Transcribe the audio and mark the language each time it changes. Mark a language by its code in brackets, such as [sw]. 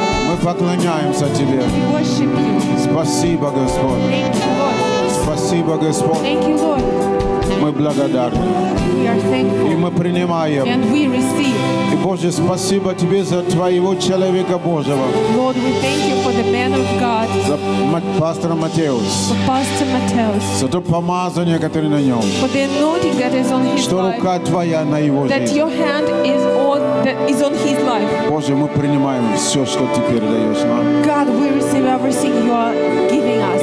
[ru] Мы поклоняемся тебе. [en] We worship you. [ru] Спасибо, Господь. [en] Thank you, Lord. [ru] Спасибо, Господь. [en] Thank you, Lord. [ru] Мы благодарны. И мы принимаем. [en] And we receive. [ru] И Боже, спасибо тебе за твоего человека Божьего. [en] Lord, we thank you for the man of God. [ru] За пастора Матеус. [en] For Pastor Mateus. [ru] За то помазание, которое на нем. [en] For the anointing that is on his life. [ru] Что рука твоя на его жизни. [en] That your hand is on his life. [ru] Боже, мы принимаем все, что ты передаешь нам. [en] God, we receive everything you are giving us.